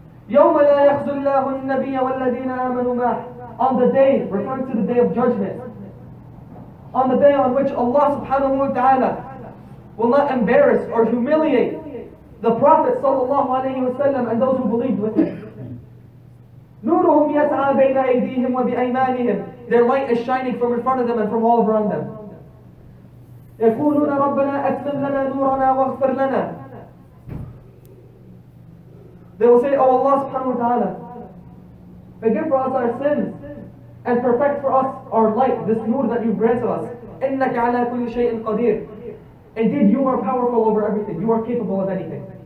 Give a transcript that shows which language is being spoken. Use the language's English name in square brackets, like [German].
[Arabic] يَوْمَ لَا يَخْزُ اللَّهُ النَّبِيَّ وَالَّذِينَ آمَنُوا مَعْهُ. [English] On the day, referring to the day of judgment. On the day on which Allah subhanahu wa ta'ala will not embarrass or humiliate the Prophet sallallahu alayhi wasallam and those who believed with him. [Arabic] نورهم يسعى بين أيديهم وبأيمانهم. [English] Their light is shining from in front of them and from all around them. [Arabic] يقولون ربنا أتمم لنا نورنا واغفر لنا. [English] They will say, oh Allah subhanahu wa ta'ala, forgive for us our sins and perfect for us our light, this nur that you grant to us. [Arabic] إنك على كل شيء قدير. [English] Indeed, you are powerful over everything. You are capable of anything.